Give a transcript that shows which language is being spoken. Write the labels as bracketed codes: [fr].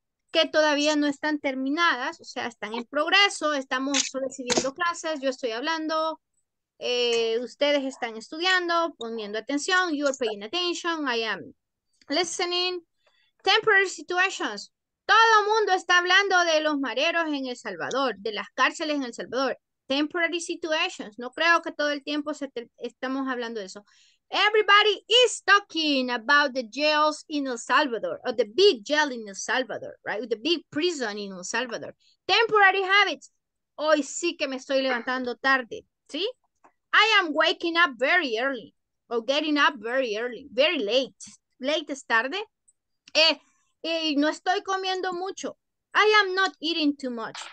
[es] Que todavía no están terminadas, o sea, están en progreso, estamos recibiendo clases, yo estoy hablando, ustedes están estudiando, poniendo atención, [en] you are paying attention, I am listening. Temporary situations. [es] Todo el mundo está hablando de los mareros en El Salvador, de las cárceles en El Salvador. [en] Temporary situations. [es] No creo que todo el tiempo estamos hablando de eso. [en] Everybody is talking about the jails in El Salvador, or the big jail in El Salvador, right? The big prison in El Salvador. Temporary habits. [es] Hoy sí que me estoy levantando tarde, ¿sí? [en] I am waking up very early, or getting up very early, very late. Late [es] es tarde. No estoy comiendo mucho. [en] I am not eating too much.